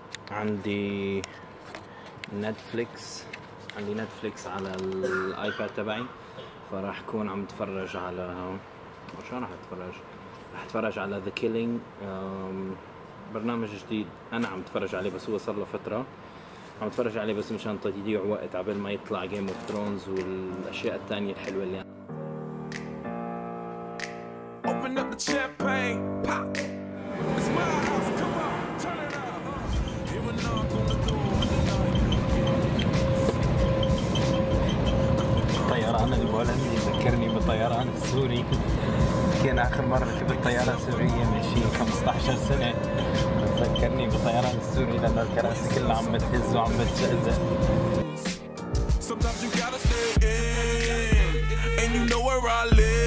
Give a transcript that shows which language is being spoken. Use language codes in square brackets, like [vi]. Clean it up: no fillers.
[ar] عندي نتفليكس، عندي نتفليكس على الآيباد تبعي، فراح أكون عم أتفرج على راح أتفرج على The Killing، برنامج جديد أنا عم أتفرج عليه، بس هو صار له فترة عم اتفرج عليه بس مشان تضيع وقت قبل ما يطلع Game of Thrones والاشياء الثانيه الحلوه اللي [en] champagne pop. It's my house, come on, turn it up. Hear a knock on the door. [ar] الطيران البولندي ذكرني بالطيران السوري. كان آخر مرة ركبت الطيارة السورية من شي 15 سنة. ذكرني بالطيران السوري لأن الكراسي كلها عم بتهز وعم بتشهز. [en] Sometimes you gotta stay in, and you know where I live.